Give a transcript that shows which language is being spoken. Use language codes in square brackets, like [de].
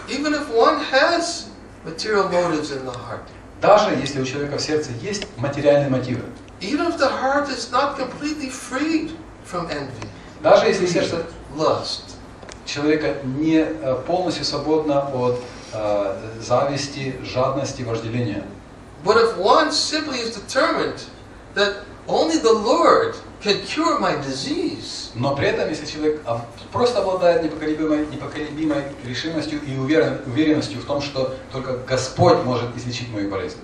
[en] even if one has material motives in the heart, [ru] даже если у человека в сердце есть материальные мотивы, [en] even if the heart is not completely freed from envy, [ru] даже если сердце [en] lust, [ru] человека не полностью свободно от зависти, жадности, вожделения, [en] but if one simply is determined that only the Lord can cure my disease, [ru] но при этом если человек просто обладает непоколебимой решимостью и уверенностью в том, что только Господь может излечить мою болезнь.